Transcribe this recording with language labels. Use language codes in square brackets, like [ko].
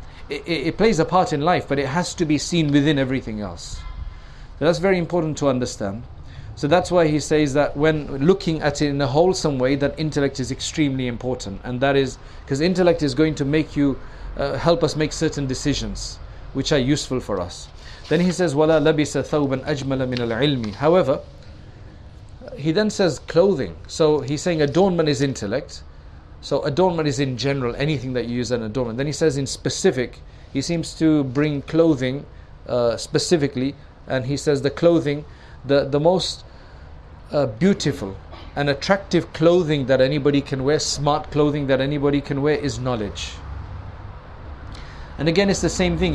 [en] It plays a part in life, but it has to be seen within everything else. So that's very important to understand. So that's why he says that when looking at it in a wholesome way, that intellect is extremely important. And that is because intellect is going to make you help us make certain decisions which are useful for us. Then he says, [ar] وَلَا لَبِسَ ثَوْبًا أَجْمَلَ مِنَ الْعِلْمِ. [en] However, he then says clothing. So he's saying adornment is intellect. So adornment is in general, anything that you use as an adornment. Then he says in specific, he seems to bring clothing specifically. And he says the clothing, the most beautiful and attractive clothing that anybody can wear, smart clothing that anybody can wear, is knowledge. And again, it's the same thing.